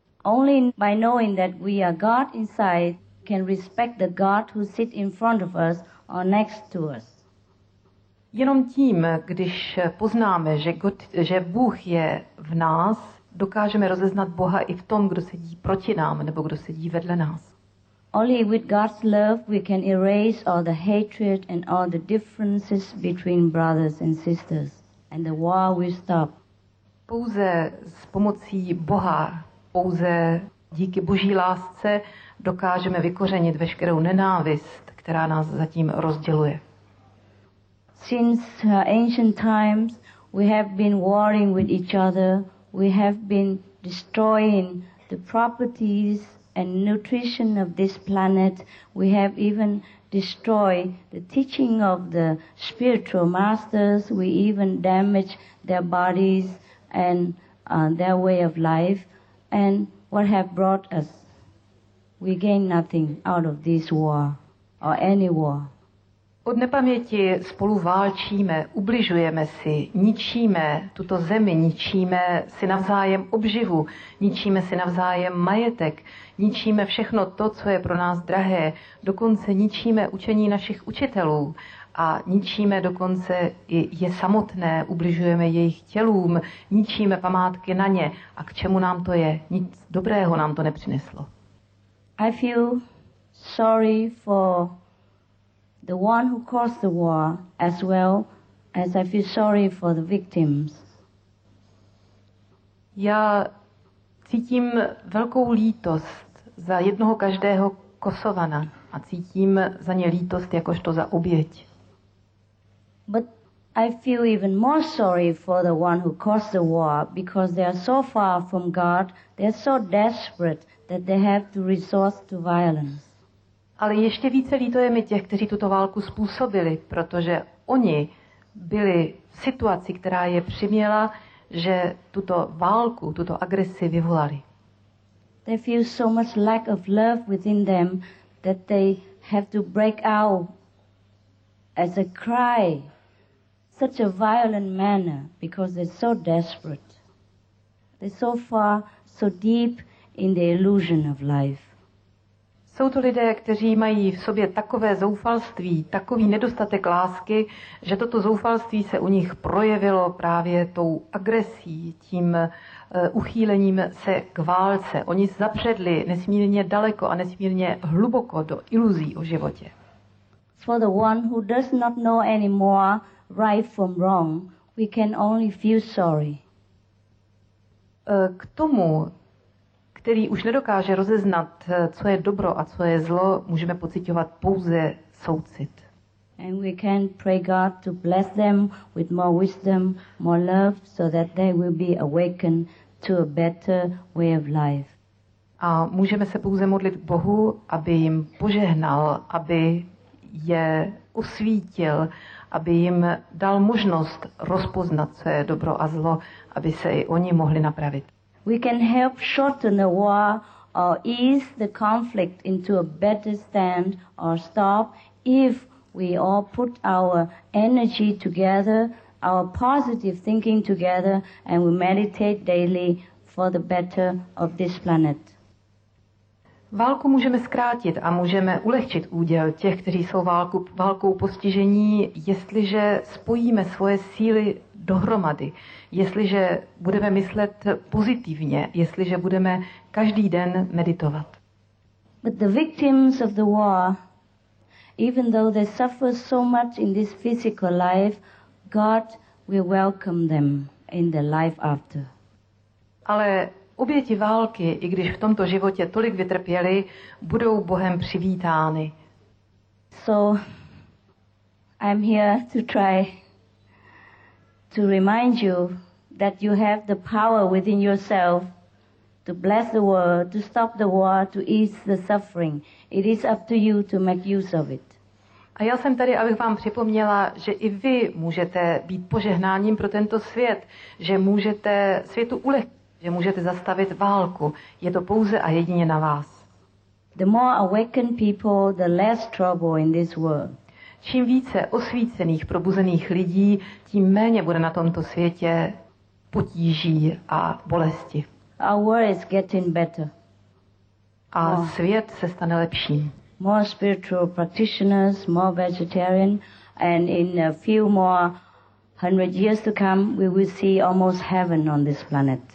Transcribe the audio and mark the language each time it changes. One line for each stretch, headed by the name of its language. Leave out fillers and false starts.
English: Only by knowing that we are God inside can respect the God who sits in front of us or next to us.
Czech: Jenom tím, když poznáme, že Bůh je v nás, dokážeme rozeznat Boha i v tom, kdo sedí proti nám nebo kdo sedí vedle nás.
English: Only with God's love we can erase all the hatred and all the differences between brothers and sisters, and the war will stop.
Czech: Pouze s pomocí Boha, pouze díky Boží lásce, dokážeme vykořenit veškerou nenávist, která nás zatím rozděluje.
English: Since ancient times we have been warring with each other, we have been destroying the properties and nutrition of this planet. We have even destroyed the teaching of the spiritual masters. We even damaged their bodies and their way of life. And what have brought us? We gain nothing out of this war or any war.
Czech: Od nepaměti spolu válčíme, ubližujeme si, ničíme tuto zemi, ničíme si navzájem obživu, ničíme si navzájem majetek, ničíme všechno to, co je pro nás drahé, dokonce ničíme učení našich učitelů a ničíme dokonce i je samotné, ubližujeme jejich tělům, ničíme památky na ně. A k čemu nám to je? Nic dobrého nám to nepřineslo.
English: I feel sorry for the one who caused the war, as well as I feel sorry for the victims.
Czech: Já cítím velkou lítost za jednoho každého Kosovana a cítím za ně lítost jakožto za oběť.
English: But I feel even more sorry for the one who caused the war, because they are so far from God, they are so desperate that they have to resort to violence.
Czech: Ale ještě více lítujeme těch, kteří tuto válku způsobili, protože oni byli v situaci, která je přiměla, že tuto válku, tuto agresi vyvolali.
English: They feel so much lack of love within them that they have to break out as a cry, such a violent manner, because they're so desperate. They're so far, so deep in the illusion of life.
Czech: Jsou to lidé, kteří mají v sobě takové zoufalství, takový nedostatek lásky, že toto zoufalství se u nich projevilo právě tou agresí, tím uchýlením se k válce. Oni zapředli nesmírně daleko a nesmírně hluboko do iluzí o životě.
English: For the one who does not know anymore right from wrong, we can only feel sorry.
Czech: K tomu, který už nedokáže rozeznat, co je dobro a co je zlo, můžeme pociťovat pouze soucit.
English: And we can pray God to bless them with more wisdom, more love, so that they will be awakened to a better way of life.
Czech: A můžeme se pouze modlit Bohu, aby jim požehnal, aby je osvítil, aby jim dal možnost rozpoznat, co je dobro a zlo, aby se i oni mohli napravit.
English: We can help shorten the war or ease the conflict into a better stand or stop if we all put our energy together, our positive thinking together, and we meditate daily for the better of this planet.
Czech: Válku můžeme zkrátit a můžeme ulehčit úděl těch, kteří jsou válkou postižení, jestliže spojíme svoje síly dohromady, jestliže budeme myslet pozitivně, jestliže budeme každý den meditovat.
English: But the victims of the war, even though they suffer so much in this physical life, God will welcome them in the life after.
Czech: Ale oběti války, i když v tomto životě tolik vytrpěli, budou Bohem přivítány.
English: So I'm here to try to remind you that you have the power within yourself to bless the world, to stop the war, to ease the suffering. It is up to you to make use of it.
Czech: A já jsem tady, abych vám připomněla, že i vy můžete být požehnáním pro tento svět, že můžete světu ulehčit, že můžete zastavit válku. Je to pouze a jedině na vás.
English: The more awakened people, the less trouble in this world.
Czech: Čím více osvícených, probuzených lidí, tím méně bude na tomto světě potíží a bolesti.
English: Our world is getting better.
Czech: A svět se stane lepším.
English: More spiritual practitioners, more vegetarian, and in a few more hundred years to come, we will see almost heaven on this planet.